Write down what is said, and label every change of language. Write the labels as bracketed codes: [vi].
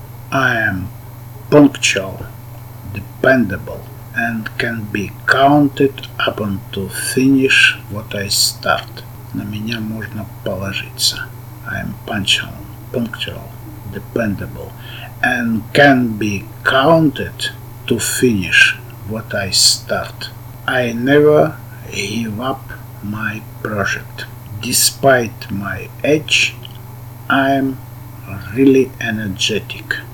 [en] I am punctual, dependable, and can be counted upon to finish what I start. [ru] На меня можно положиться. [en] I am punctual, dependable, and can be counted to finish what I start. I never give up my project. Despite my age, I am really energetic.